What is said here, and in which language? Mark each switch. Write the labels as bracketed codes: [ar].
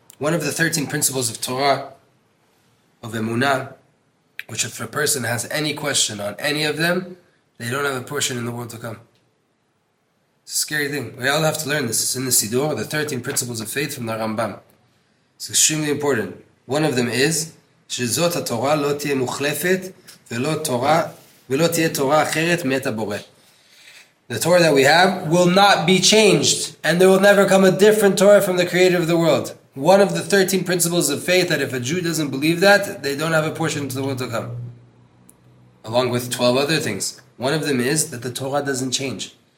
[en] One of the 13 principles of Torah, of Emunah, which if a person has any question on any of them, they don't have a portion in the world to come. It's a scary thing. We all have to learn this. It's in the Siddur, the 13 principles of faith from the Rambam. It's extremely important. One of them is, [he] שזאת התורה לא תהיה מוחלפת ולא תהיה תורה אחרת מאת הבורא. [en] The Torah that we have will not be changed, and there will never come a different Torah from the Creator of the world. One of the 13 principles of faith that if a Jew doesn't believe that, they don't have a portion to the world to come. Along with 12 other things. One of them is that the Torah doesn't change.